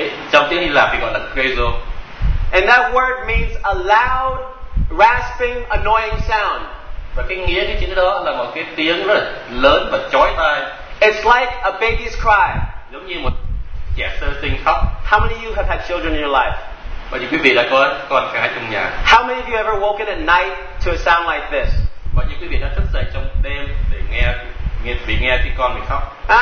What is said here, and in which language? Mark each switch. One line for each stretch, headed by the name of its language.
Vietnamese: Trong tiếng Hy Lạp thì gọi là crazo.
English: And that word means a loud, rasping, annoying sound.
Vietnamese: Và cái nghĩa cái chữ đó là một cái tiếng rất lớn và chói tai.
English: It's like a baby's cry.
Vietnamese: Giống như một trẻ sơ sinh khóc.
English: How many of you have had children in your life?
Vietnamese: Và những quý vị đã có con cái trong nhà.
English: How many of you ever woken at night to a sound like this?
Vietnamese: Và những quý vị đã thức dậy trong đêm để nghe cái con mình khóc.